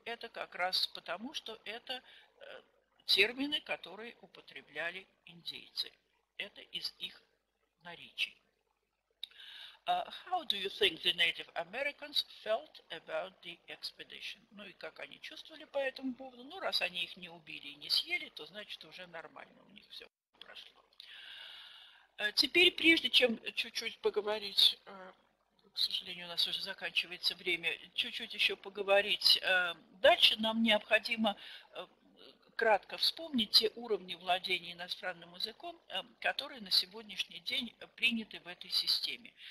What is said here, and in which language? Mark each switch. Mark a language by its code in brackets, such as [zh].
[ru] Это как раз потому, что это термины, которые употребляли индейцы. Это из их наречий. [en] How do you think the Native Americans felt about the expedition? [ru] Ну и как они чувствовали по этому поводу? Ну, раз они их не убили и не съели, то значит уже нормально у них все прошло. Теперь, прежде чем чуть-чуть поговорить, к сожалению, у нас уже заканчивается время, чуть-чуть еще поговорить дальше, нам необходимо кратко вспомнить те уровни владения иностранным языком, которые на сегодняшний день приняты в этой системе.